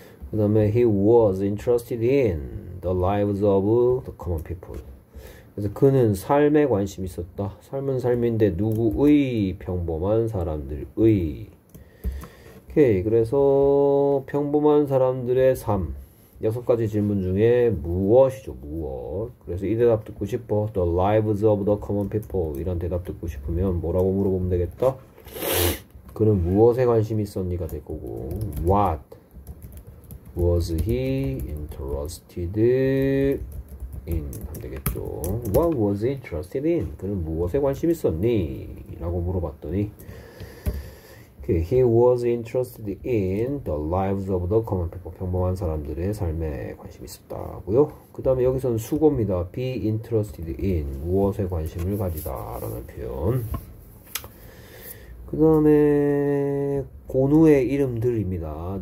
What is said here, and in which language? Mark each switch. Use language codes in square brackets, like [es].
[ko] 그 다음에 [en] he was interested in The lives of the common people. [ko] 그래서 그는 삶에 관심 있었다. 삶은 삶인데 누구의 평범한 사람들의. 오케이. 그래서 평범한 사람들의 삶. 여섯 가지 질문 중에 무엇이죠? 무엇? 그래서 이 대답 듣고 싶어. [en] The lives of the common people. [ko] 이런 대답 듣고 싶으면 뭐라고 물어보면 되겠다? 그는 무엇에 관심 있었니가 될 거고. [en] What? Was he interested in? [ko] 되겠죠. [en] What was he interested in? [ko] 그는 무엇에 관심 있었니? 라고 물어봤더니, [en] He was interested in the lives of the common people. [ko] 평범한 사람들의 삶에 관심 있었다고요. 그 다음에 여기서는 수고입니다. [en] Be interested in. [ko] 무엇에 관심을 가지다. 라는 표현. 그다음에 고누의 이름들입니다.